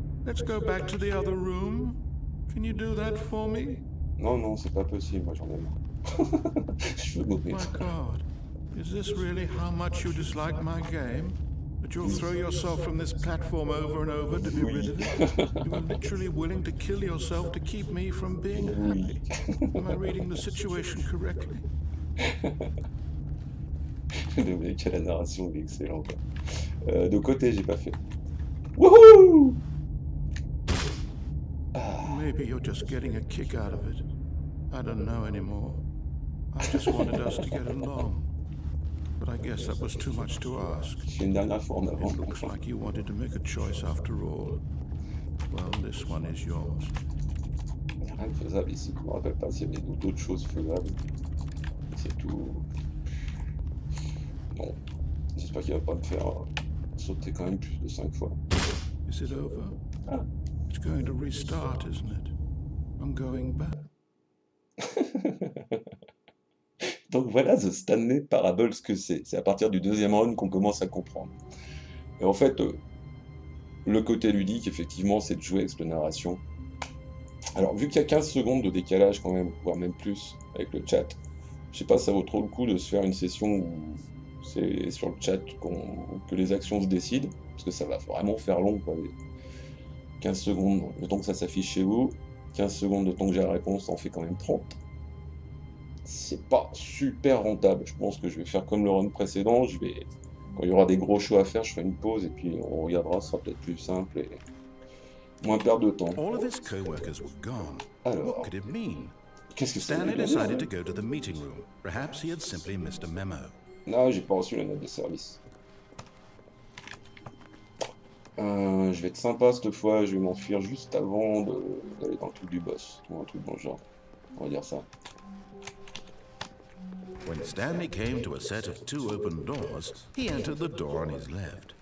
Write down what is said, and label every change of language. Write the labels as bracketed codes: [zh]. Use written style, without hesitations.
[en] Let's go back to the other room. Can you do that for me? [fr] Non, non, c'est pas possible, moi j'en ai marre. Je veux mourir. [en] My God, is this really how much you dislike my game? That you'll throw yourself from this platform over and over to be [fr] oui. [en] Rid of it? You are literally willing to kill yourself to keep me from being happy. Am I reading the situation correctly? [fr] J'ai oublié que la narration est excellente. De côté, j'ai pas fait. Wouhou! [en] Maybe you're just getting a kick out of it. I don't know anymore. I just wanted us to get along. But I guess that was too much to ask. It looks like you wanted to make a choice after all. Well, this one is yours. [fr] Rien de faisable ici. Je me rappelle pas s'il y avait d'autres choses faisables. C'est tout. Bon. J'espère qu'il va pas me faire sauter quand même plus de 5 fois. [en] Is it over? Ah. It's going to restart, isn't it? I'm going back. [fr] Donc voilà The Stanley Parable ce que c'est. C'est à partir du deuxième run qu'on commence à comprendre. Et en fait, le côté ludique, effectivement, c'est de jouer avec cette narration. Alors, vu qu'il y a 15 secondes de décalage, quand même, voire même plus, avec le chat, je sais pas, ça vaut trop le coup de se faire une session où c'est sur le chat que les actions se décident, parce que ça va vraiment faire long, quoi. 15 secondes, le temps que ça s'affiche chez vous, 15 secondes, le temps que j'ai la réponse, ça en fait quand même 30. C'est pas super rentable. Je pense que je vais faire comme le run précédent. Je vais, quand il y aura des gros choix à faire, je ferai une pause et puis on regardera. Ce sera peut-être plus simple et moins perdre de temps. [en] All of his co-workers were gone. What could it mean? [fr] Qu'est-ce que ça [en] Stanley decided to go to the meeting room. Perhaps he had simply missed a memo. [fr] Non, j'ai pas reçu la note de service. Je vais être sympa cette fois. Je vais m'enfuir juste avant d'aller dans le truc du boss ou un truc dans le genre. On va dire ça. [en] When Stanley came to a set of two open doors, he entered the door on his left.